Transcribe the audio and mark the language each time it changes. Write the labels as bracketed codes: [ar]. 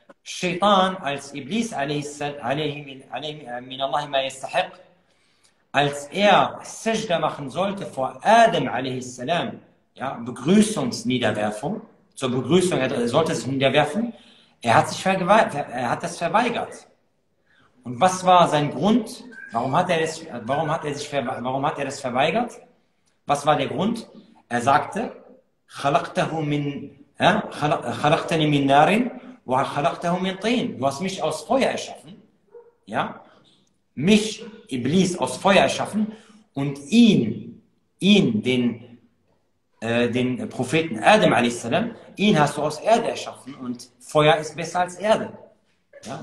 [de] Shaitan als Iblis, als er Sajda machen sollte vor Adam, ja, Begrüßungsniederwerfung, zur Begrüßung, er sollte sich niederwerfen, er hat das verweigert. Und was war sein Grund? Warum hat er das verweigert? Was war der Grund? Er sagte, [ar] خَلَقْتَهُ مِنْ خَلَقْتَنِ مِنْ نَارٍ وَخَلَقْتَهُ مِنْ طِينٍ. [de] Du hast mich aus Feuer erschaffen, ja? Mich, Iblis, aus Feuer erschaffen und den Propheten Adam a.s., ihn hast du aus Erde erschaffen und Feuer ist besser als Erde. Ja?